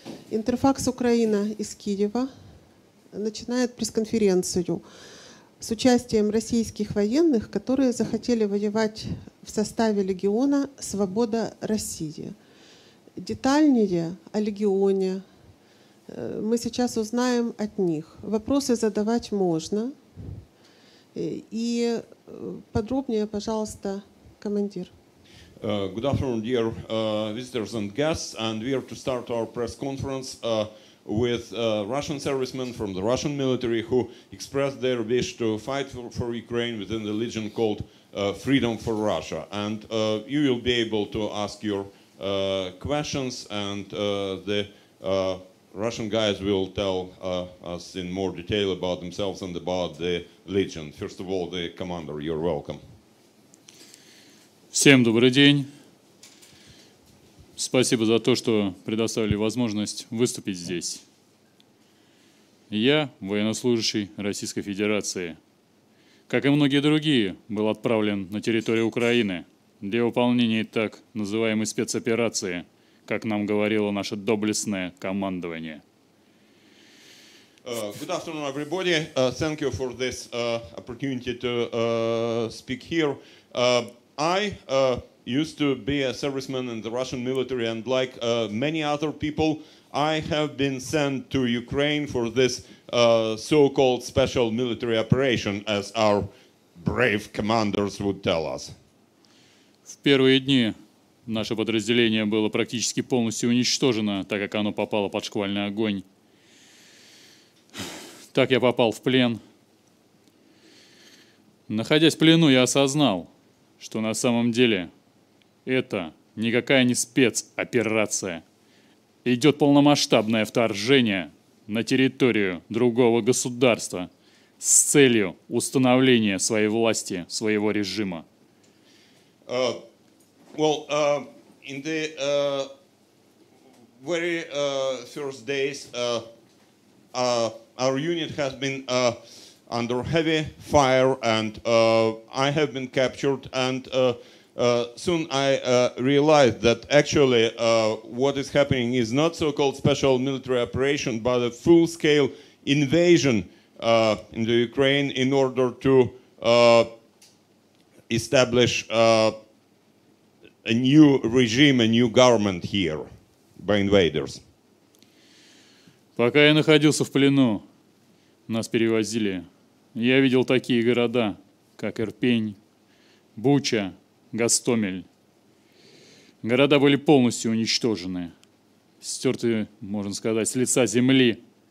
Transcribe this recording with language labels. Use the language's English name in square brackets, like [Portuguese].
[Russian] Интерфакс Украина из Киева начинает пресс-конференцию с участием российских военных, которые захотели воевать в составе легиона «Свобода России». Детальнее о легионе мы сейчас узнаем от них. Вопросы задавать можно. И подробнее, пожалуйста, командир. [English] Good afternoon, dear visitors and guests, and we are to start our press conference with Russian servicemen from the Russian military who expressed their wish to fight for Ukraine within the legion called Freedom for Russia. And you will be able to ask your questions, and the Russian guys will tell us in more detail about themselves and about the legion. First of all, the commander, you're welcome. [Russian] Всем добрый день. Спасибо за то, что предоставили возможность выступить здесь. Я военнослужащий Российской Федерации. Как и многие другие, был отправлен на территорию Украины для выполнения так называемой спецоперации, как нам говорило наше доблестное командование. [English] Good afternoon, everybody. Thank you for this opportunity to speak here. I used to be a serviceman in the Russian military, and like many other people, I have been sent to Ukraine for this so-called special military operation, as our brave commanders would tell us. [Russian] В первые дни наше подразделение было практически полностью уничтожено, так как оно попало под шквальный огонь. Так я попал в плен. Находясь в плену, я осознал, что на самом деле это никакая не спецоперация. Идет полномасштабное вторжение на территорию другого государства с целью установления своей власти, своего режима. [English] In the very first days, our unit has been under heavy fire, and I have been captured, and soon I realized that actually what is happening is not so-called special military operation, but a full-scale invasion into Ukraine in order to establish a new regime, a new government here by invaders. [Russian] Пока я находился в плену, нас перевозили. Я видел такие города, как Ирпень, Буча, Гостомель. Города были полностью уничтожены, стерты, можно сказать, с лица земли.